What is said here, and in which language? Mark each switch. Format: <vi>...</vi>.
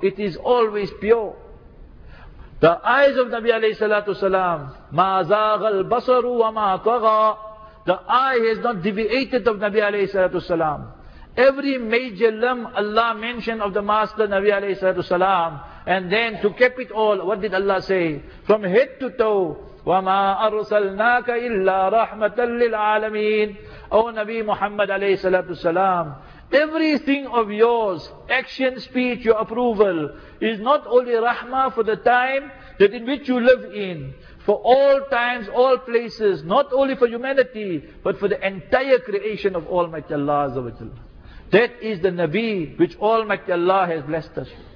<en>It is always pure. The eyes of Nabi alayhi salatu salam,</en> <ar>مَا زَاغَ الْبَصَرُ وَمَا طَغَى.</ar> <en>The eye has not deviated of Nabi alayhi salatu salam. Every major limb Allah mentioned of the master Nabi alayhi salatu salam. And then to cap it all, what did Allah say? From head to toe,</en> <ar>وَمَا أَرْسَلْنَاكَ إِلَّا رَحْمَةً لِلْعَالَمِينَ.</ar> <en>O Nabi Muhammad alayhi salatu salam, everything of yours, action, speech, your approval, is not only rahmah for the time that in which you live in, for all times, all places, not only for humanity, but for the entire creation of Almighty Allah. That is the Nabi which Almighty Allah has blessed us.</en>